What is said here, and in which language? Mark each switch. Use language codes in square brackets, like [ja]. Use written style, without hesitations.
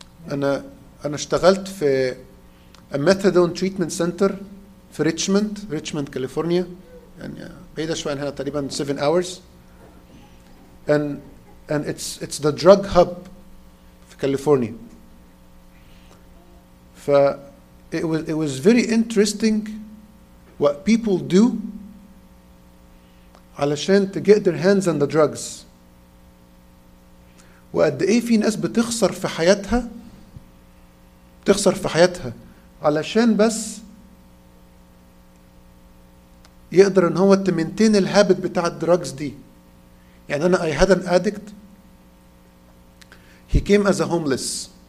[ar] أنا اشتغلت في [en] a methadone treatment center [ar] في ريتشموند كاليفورنيا يعني بعيدة شوية هنا تقريبا [en] 7 hours and it's the drug hub [ar] في كاليفورنيا. [en] ف it was very interesting what people do [ar] علشان [en] to get their hands on the drugs. [ar] وقد ايه في ناس بتخسر في حياتها علشان بس يقدر ان هو [en] to maintain [ar] الهابت بتاع الدراجز دي. يعني انا [en] I had an addict, he came as a homeless.